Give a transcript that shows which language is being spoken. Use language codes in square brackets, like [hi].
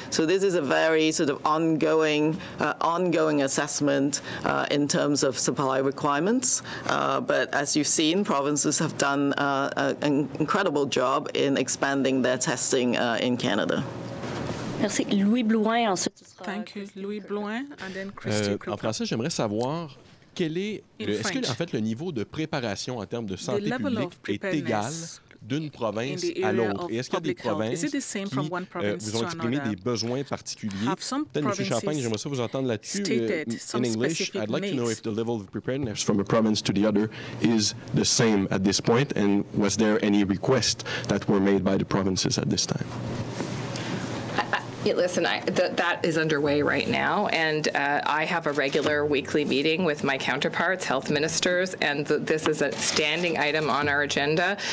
[en] So this is a very sort of ongoing assessment in terms of supply requirements. But as you've seen, provinces have done an incredible job in expanding their testing in Canada. [fr] Merci. Louis Blouin. [en] Thank you, Louis Blouin. And then Christy. [fr] En français, j'aimerais savoir quel est, est-ce que en fait le niveau de préparation en termes de santé publique est égal d'une province à l'autre? Et est-ce qu'il y a des provinces qui vous ont exprimé des besoins particuliers? Peut-être, M. Champagne, j'aimerais ça vous entendre là-dessus. [en] In English, I'd like to know if the level of preparedness from a province to the other is the same at this point, and was there any request that were made by the provinces at this time? Listen, that is underway right now, and I have a regular weekly meeting with my counterparts, health ministers, and this is a standing item on our agenda.